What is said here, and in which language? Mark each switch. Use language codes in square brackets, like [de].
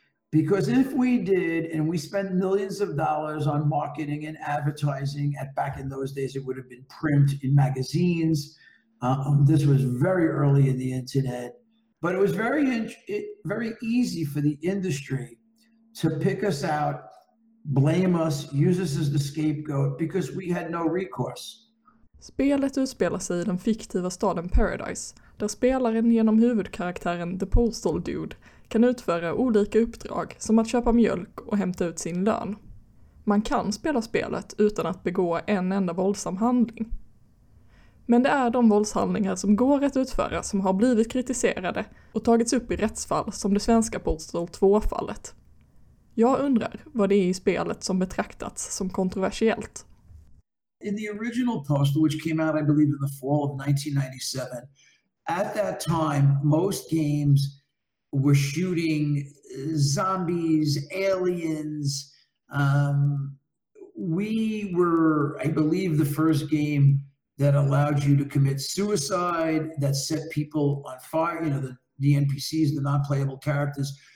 [en] Because if we did, and we spent millions of dollars on marketing and advertising, at back in those days, it would have been print in magazines. This was very early in the internet, but it was very easy for the industry to pick us out, blame us, use us as the scapegoat, because we had no recourse. [sv] Spelet utspelar sig i den fiktiva staden Paradise, där spelaren genom huvudkaraktären The Postal Dude kan utföra olika uppdrag som att köpa mjölk och hämta ut sin lön. Man kan spela spelet utan att begå en enda våldsam handling. Men det är de våldshandlingar som går att utföra som har blivit kritiserade och tagits upp i rättsfall som det svenska Postal 2-fallet. Jag undrar vad det är i spelet som betraktats som kontroversiellt. [en] In the original Postal, which came out, I believe, in the fall of 1997, at that time, most games were shooting zombies, aliens. We were, I believe, the first game that allowed you to commit suicide, that set people on fire, you know, the NPCs, the non-playable characters.